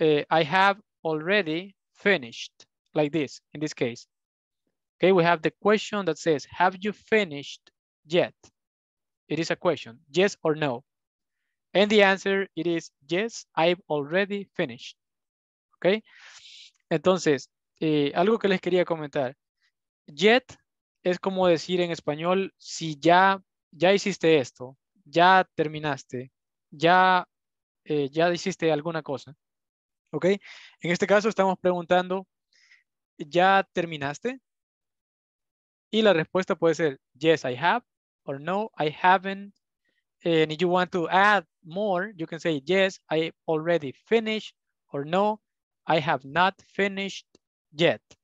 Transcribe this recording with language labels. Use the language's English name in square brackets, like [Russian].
[English] I have already finished, like this, in this case. Okay, we have the question that says, have you finished yet? It is a question, yes or no. And the answer, it is, yes, I've already finished. [Spanish] Okay, entonces, algo que les quería comentar. Yet es como decir en español, si ya hiciste esto, ya terminaste, ya hiciste alguna cosa, ¿ok? En este caso estamos preguntando, ¿ya terminaste? Y la respuesta puede ser, [English] yes, I have, or no, I haven't. And if you want to add more, you can say, yes, I already finished, or no, I have not finished yet.